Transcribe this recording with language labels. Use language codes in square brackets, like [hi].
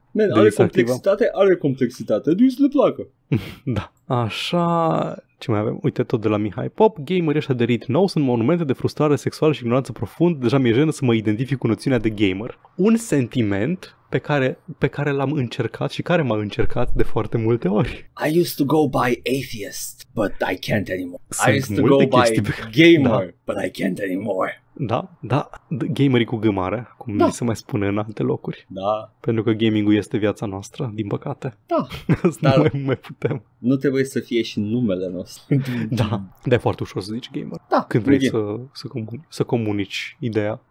[ro] Man, are complexitate, are complexitate, du-i să le placă. Da. Așa, ce mai avem? Uite, tot de la Mihai Pop. Gameri ăștia de rit nou sunt monumente de frustrare sexuală și ignoranță profund. Deja mi-e jenă să mă identific cu noțiunea de gamer. Un sentiment pe care, pe care l-am încercat și care m-a încercat de foarte multe ori. [en] I used to go by atheist, but I can't anymore. Sunt I used to go by gamer, da. But I can't anymore. [ro] Da, da, gamerii cu G mare, cum da. Mi se mai spune în alte locuri. Da. Pentru că gaming-ul este viața noastră, din păcate. Da. Dar nu mai putem. Nu trebuie să fie și numele nostru. Da, dar e foarte ușor să zici gamer. Da. Când vrei să comunici ideea.